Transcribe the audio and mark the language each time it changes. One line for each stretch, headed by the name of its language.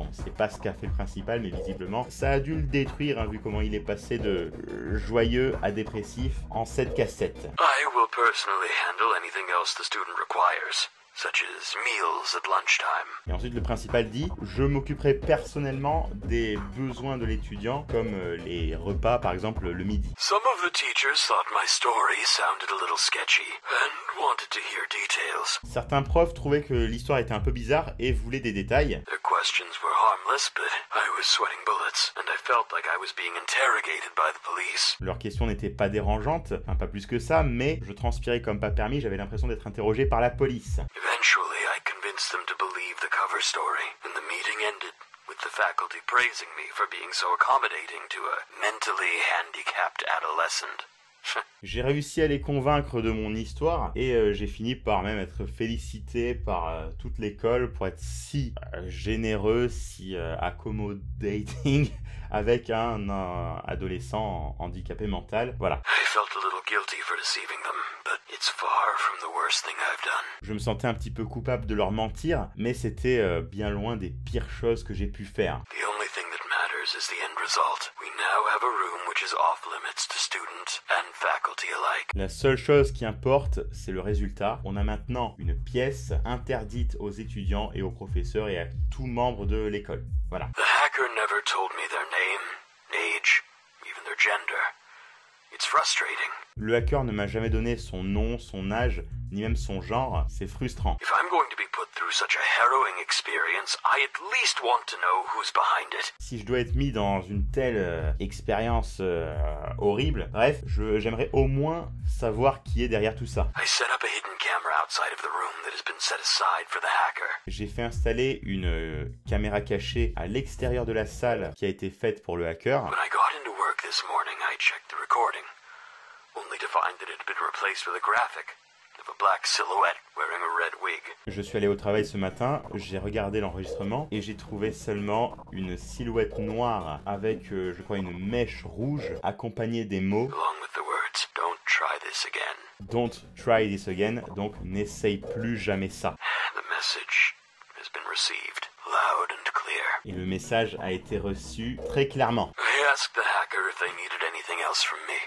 French: On sait pas ce qu'a fait le principal, mais visiblement ça a dû le détruire, hein, vu comment il est passé de joyeux à dépressif en 7 cassettes.
English: I will personally handle anything else the student requires, such as meals at lunchtime.
French: Et ensuite le principal dit, je m'occuperai personnellement des besoins de l'étudiant, comme les repas, par exemple le midi.
English: Some of the teachers thought my story sounded a little sketchy and wanted to hear details.
French: Certains profs trouvaient que l'histoire était un peu bizarre et voulaient des détails.
English: Their questions were harmless, but I was sweating bullets and I felt like I was being interrogated by the police.
French: Leurs questions n'étaient pas dérangeantes, enfin pas plus que ça, mais je transpirais comme pas permis, j'avais l'impression d'être interrogé par la police.
English: Eventually, I convinced them to believe the cover story, and the meeting ended with the faculty praising me for being so accommodating to a mentally handicapped adolescent.
French: J'ai réussi à les convaincre de mon histoire et j'ai fini par même être félicité par toute l'école pour être si généreux, si accommodating avec un adolescent handicapé mental. Voilà.
English: I felt a little guilty for deceiving them, but it's far from the worst thing I've done.
French: Je me sentais un petit peu coupable de leur mentir, mais c'était bien loin des pires choses que j'ai pu faire.
English: The only thing that matters is the end result. We now have a room which is off limits to students and faculty alike.
French: La seule chose qui importe, c'est le résultat. On a maintenant une pièce interdite aux étudiants et aux professeurs et à tout membre de l'école. Voilà.
English: The hacker never told me their name, age, even their gender. It's frustrating.
French: Le hacker ne m'a jamais donné son nom, son âge, ni même son genre. C'est frustrant.
English: If I'm going to be put through such a harrowing experience, I at least want to know who's behind it.
French: Si je dois être mis dans une telle expérience horrible, bref, j'aimerais au moins savoir qui est derrière tout ça.
English: I set up a hidden camera outside of the room that has been set aside for the hacker.
French: J'ai fait installer une caméra cachée à l'extérieur de la salle qui a été faite pour le hacker.
English: When I got into work this morning, I checked the recording, only to find that it had been replaced with a graphic. with a black silhouette wearing a red wig.
French: Je suis allé au travail ce matin, j'ai regardé l'enregistrement et j'ai trouvé seulement une silhouette noire avec, je crois, une mèche rouge accompagnée des mots.
English: Along with the words, don't try this again. Don't try this again,
French: donc n'essaye plus jamais ça.
English: The message has been received loud and clear.
French: Et le message a été reçu très clairement.
English: I asked the hacker if they needed anything else from me.